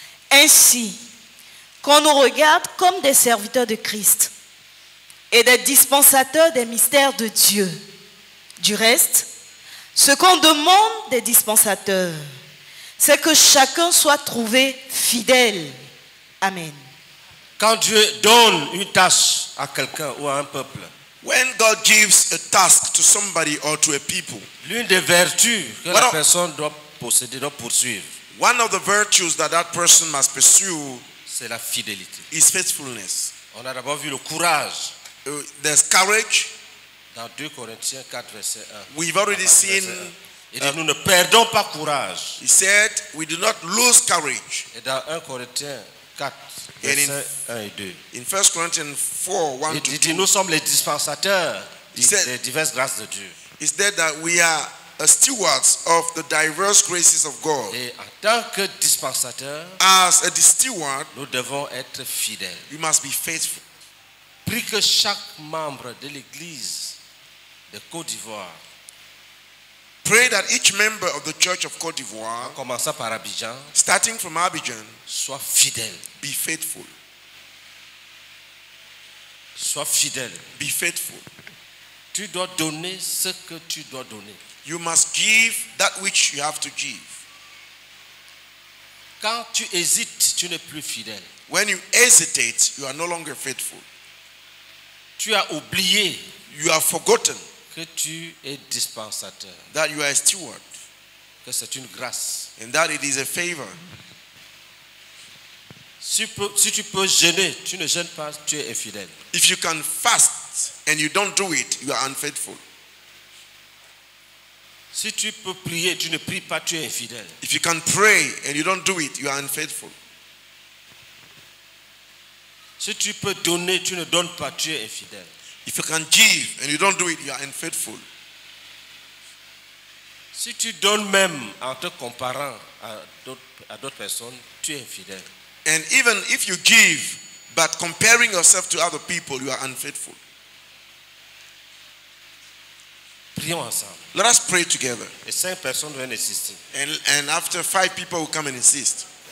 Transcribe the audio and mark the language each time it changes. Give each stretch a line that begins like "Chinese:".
French: Ainsi, qu'on nous regarde comme des serviteurs de Christ et des dispensateurs des mystères de Dieu. Du reste, ce qu'on demande des dispensateurs, c'est que chacun soit trouvé fidèle. Amen. Quand Dieu donne une tâche à quelqu'un ou à un peuple,
English: when God gives a task to somebody or to a people,
French: l'une des vertus que la personne doit posséder, doit poursuivre,
English: one of the virtues that that person must pursue,
French: c'est la fidélité,
English: is faithfulness.
French: On a d'abord vu le courage,
English: there's courage,
French: dans 2 Corinthiens 4 verset 1.
English: We've already seen,
French: et nous ne perdons pas courage.
English: He said, we do not lose courage.
French: Et dans 1 Corinthiens 4 et 1 et 2.
English: In 1 Corinthians 4, 1 to 2,
French: nous sommes les dispensateurs des diverses grâces de Dieu.
English: Is there that we are a stewards of the diverse graces of God?
French: Et en tant que dispensateur,
English: as a steward,
French: nous devons être fidèles.
English: We must be faithful.
French: Prie que chaque membre de l'église de Côte d'Ivoire,
English: pray that each member of the Church of Côte d'Ivoire,
French: commençant par Abidjan,
English: starting from Abidjan,
French: soit fidèle.
English: Be faithful.
French: Sois fidèle.
English: Be faithful.
French: Tu dois donner ce que tu dois donner.
English: You must give that which you have to give.
French: Quand tu hésites, tu n'es plus fidèle.
English: When you hesitate, you are no longer faithful.
French: Tu as oublié.
English: You have forgotten.
French: Que tu es dispensateur.
English: That you are a steward.
French: Que c'est une grâce.
English: And that it is a favor.
French: Si tu peux jeûner, tu ne jeûnes pas, tu es infidèle.
English: If you can fast and you don't do it, you are unfaithful.
French: Si tu peux prier, tu ne pries pas, tu es infidèle.
English: If you can pray and you don't do it, you are unfaithful.
French: Si tu peux donner, tu ne donnes pas, tu es infidèle.
English: If you can give and you don't do it, you are unfaithful.
French: Si tu donnes même en te comparant à d'autres personnes, tu es infidèle.
English: And even if you give, but comparing yourself to other people, you are unfaithful.
French: Prions ensemble.
English: Let us pray together.
French: Et cinq personnes viennent insister.
English: And after five people will come and insist.